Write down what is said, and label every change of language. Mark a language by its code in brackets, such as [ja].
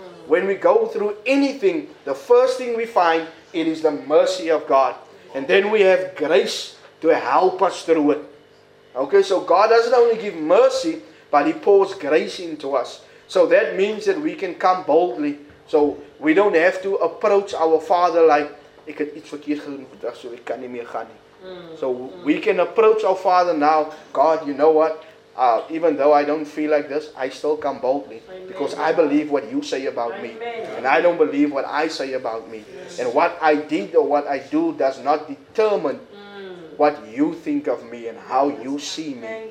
[en] When we go through anything, the first thing we find, it is the mercy of God. And then we have grace to help us through it. Okay, so God doesn't only give mercy, but he pours grace into us. So that means that we can come boldly. So we don't have to approach our Father like, [af] ek het iets verkeerd gedoen, so ek kan nie meer gaan nie. [en] So we can approach our Father now. God, you know what? Even though I don't feel like this, I still come boldly. Amen. Because I believe what you say about Amen. Me. And I don't believe what I say about me. Yes. And what I did or what I do does not determine what you think of me and how you see me.